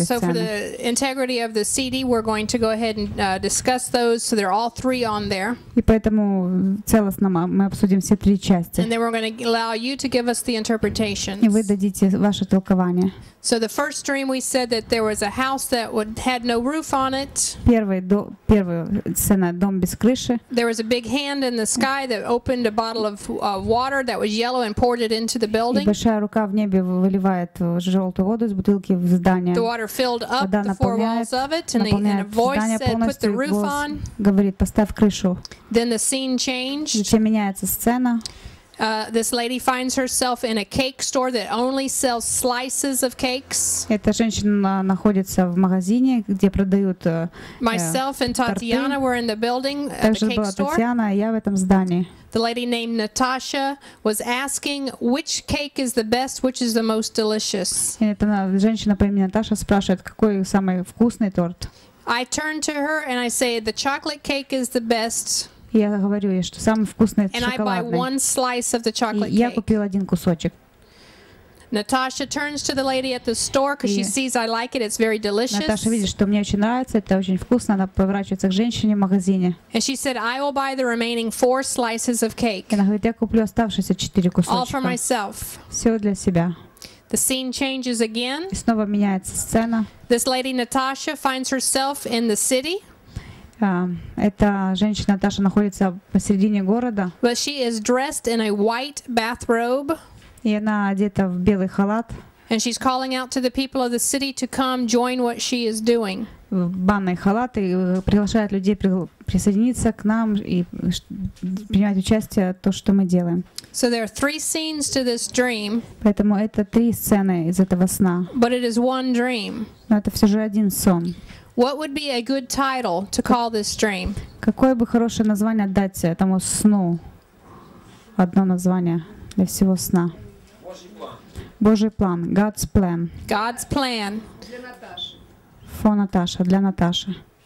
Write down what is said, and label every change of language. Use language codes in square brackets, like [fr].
[ru] сцены. [en] So for the integrity of the CD, we're going to go ahead and discuss those. So they're all three on there. [ru] И поэтому целостно мы обсудим все три части. [en] And then we're going to allow you to give us the interpretations. [ru] И вы дадите ваше толкование. [en] So the first dream we said that there was a house that would had no roof on it. [ru] Первая сцена дом без крыши. [en] There was a big hand in the sky that opened a bottle of water that was yellow and poured it into the building. [ru] Большая рука в небе выливает жёлтую воду из бутылки в здание. [en] The water filled up the four walls of it and a voice said put the roof on. [ru] Говорит, поставь крышу. [en] Then the scene changed. [ru] Затем меняется сцена. [en] This lady finds herself in a cake store that only sells slices of cakes. [ru] Эта женщина находится в магазине, где продают торты. [en] Myself and Татьяна were in the building at the cake store. [ru] Также была Татьяна, я в этом здании. [en] The lady named Natasha was asking which cake is the best, which is the most delicious. [ru] Эта женщина по имени Наташа спрашивает, какой самый вкусный торт. [en] I turn to her and I say the chocolate cake is the best. [ru] Я говорю ей, что самый вкусный это шоколадный. [en] And I buy one slice of the chocolate [ru] cake. Я купил один кусочек. [en] Natasha turns to the lady at the store because she sees I like it. It's very delicious. [ru] Наташа видит, что мне очень нравится, это очень вкусно. Она поворачивается к женщине в магазине. [en] And she said, I will buy the remaining four slices of cake. [ru] Она говорит, я куплю оставшиеся четыре кусочка. [en] All for myself. [ru] Все для себя. [en] The scene changes again. [ru] И снова меняется сцена. [en] This lady Natasha finds herself in the city. [ru] Эта женщина Наташа находится посередине города. [en] But she is dressed in a white bathrobe. [ru] И она одета в белый халат. [en] And she's calling out to the people of the city to come join what she is doing. [ru] В банный халат и приглашает людей присоединиться к нам и принимать участие в том, что мы делаем. [en] So there are three scenes to this dream. [ru] Поэтому это три сцены из этого сна. [en] But it is one dream. [ru] Но это все же один сон. [en] What would be a good title to call this dream? [ru] Какое бы хорошее название дать этому сну? Одно название для всего сна. Божий план. [en] God's plan. God's plan. For Natasha. [ru] Для Наташи.